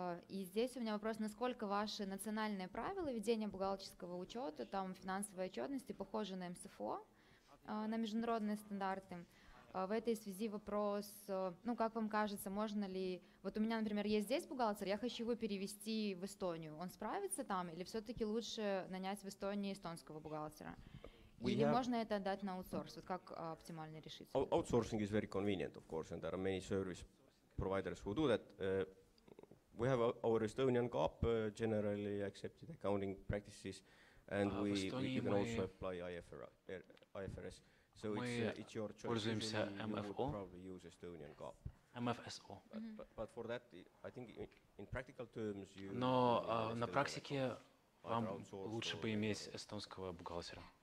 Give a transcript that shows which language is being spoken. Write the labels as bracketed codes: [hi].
[ru] И здесь у меня вопрос, насколько ваши национальные правила ведения бухгалтерского учета, там финансовой отчетности, похожи на МСФО, на международные стандарты. В этой связи вопрос, ну как вам кажется, можно ли, вот у меня, например, есть здесь бухгалтер, я хочу его перевести в Эстонию, он справится там или все-таки лучше нанять в Эстонии эстонского бухгалтера? Или можно это отдать на аутсорс? Вот как оптимально решить? [en] Outsourcing is very convenient, of course, and there are many service providers who do that. We have our Estonian GAAP generally accepted accounting practices, and we can also apply IFRS. So it's your choice. [ru] Мы пользуемся MFO. MFSO. [en] But for that, I think in practical terms, you. [ru] Но на практике вам лучше бы иметь эстонского бухгалтера.